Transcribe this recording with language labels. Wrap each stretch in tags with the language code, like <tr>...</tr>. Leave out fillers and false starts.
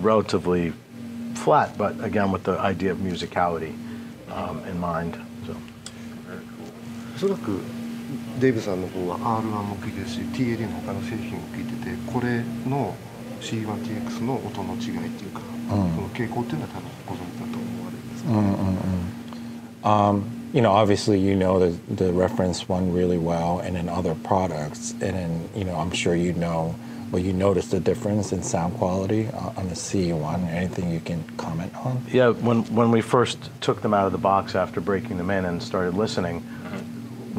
<en>Relatively flat, but again, with the idea of musicality in mind. So. Very cool.</en> <ja>デイブさんの方はR1も聞いてるし、TAD の他の製品を聞いてて、これのC1TX の音の違いっていうか、</ja> <en>You know, obviously, you know the reference one really well, and in other products, and then you know, I'm sure you know, well, you notice the difference in sound quality on the CE-1. Anything you can comment on? Yeah, when we first took them out of the box after breaking them in and started listening, mm-hmm.</en>